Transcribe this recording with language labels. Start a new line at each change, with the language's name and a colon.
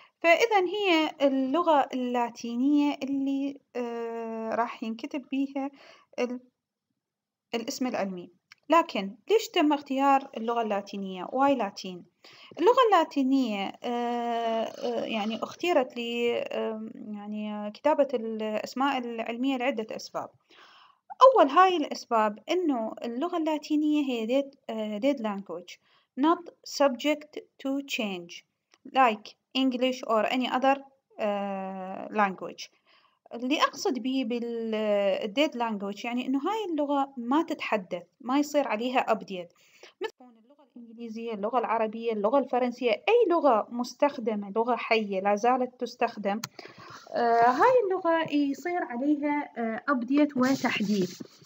Arabic: فإذا هي اللغة اللاتينية اللي راح ينكتب بيها الاسم العلمي. لكن ليش تم اختيار اللغة اللاتينية؟ واي لاتين؟ اللغة اللاتينية يعني اختيرت ل يعني كتابة الأسماء العلمية لعدة أسباب. أول هاي الأسباب إنه اللغة اللاتينية هي
English: dead language, not subject to change like English or any other language.
Arabic: اللي أقصد به بالdead language يعني إنه هاي اللغة ما تتحدث, ما يصير عليها أبديت, مثل اللغة الإنجليزية, اللغة العربية, اللغة الفرنسية, أي لغة مستخدمة, لغة حية لا زالت تستخدم. هاي اللغة يصير عليها أبديت وتحديث.